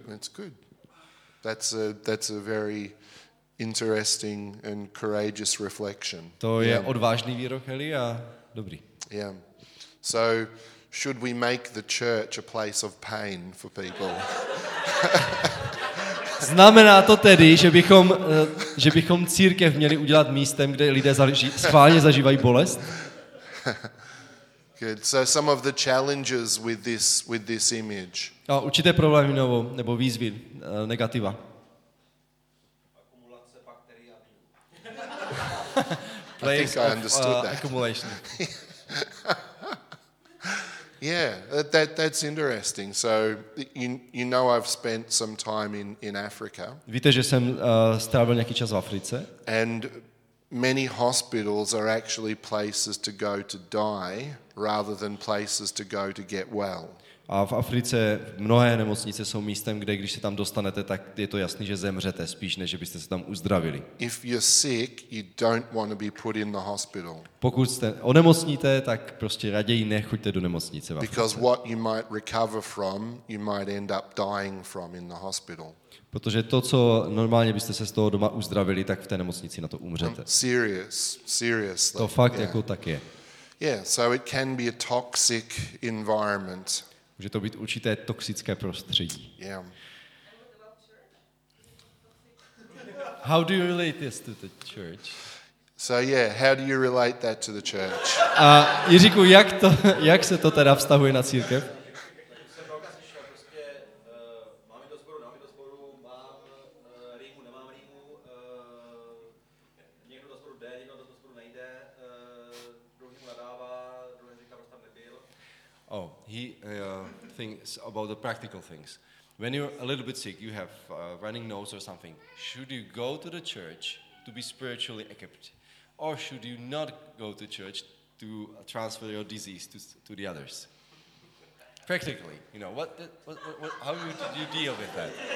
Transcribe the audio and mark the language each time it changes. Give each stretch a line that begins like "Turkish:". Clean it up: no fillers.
English: It's good. That's a very interesting and courageous reflection.
Czech: To je odvážný výrok, Heli, a dobrý.
English: Yeah. So should we make the church a place of pain for people?
Czech: Znamená to tedy, že bychom církev měli udělat místem, kde lidé schválně zažívají bolest?
English: Good. So some of the challenges with this image.
Czech: A určité problémy nebo výzvy negativa.
English: I think I understood that. Accumulation. Yeah, that's interesting. So you know I've spent some time in Africa.
Czech: Víte, že jsem strávil nějaký čas v Africe.
English: And many hospitals are actually places to go to die rather than places to go to get well.
Czech: A v Africe mnohé nemocnice jsou místem, kde když se tam dostanete, tak je to jasný, že zemřete, spíš než že byste se tam uzdravili.
English: If you're sick, you don't want to be put in the hospital.
Czech: Pokud jste onemocníte, tak prostě raději nechoďte do nemocnice.
English: Because what you might recover from, you might end up dying from in the hospital.
Czech: Protože to, co normálně byste se z toho doma uzdravili, tak v té nemocnici na to umřete.
English: Seriously.
Czech: To fakt jako tak je.
English: Yeah, so it can be a toxic environment.
Czech: Může to být určité toxické prostředí.
English: How do you relate this to the church? So yeah, how do you relate that to the church?
Czech: A Jiříku, jak se to teda vztahuje na církev? Někdo do sboru jde, někdo do sboru nejde, druhý mu nadává, druhý říká, proč tam nebyl.
English: Oh, he thinks about the practical things. When you're a little bit sick, you have a running nose or something, should you go to the church to be spiritually equipped? Or should you not go to church to transfer your disease to the others? Practically, you know, how did you deal with that?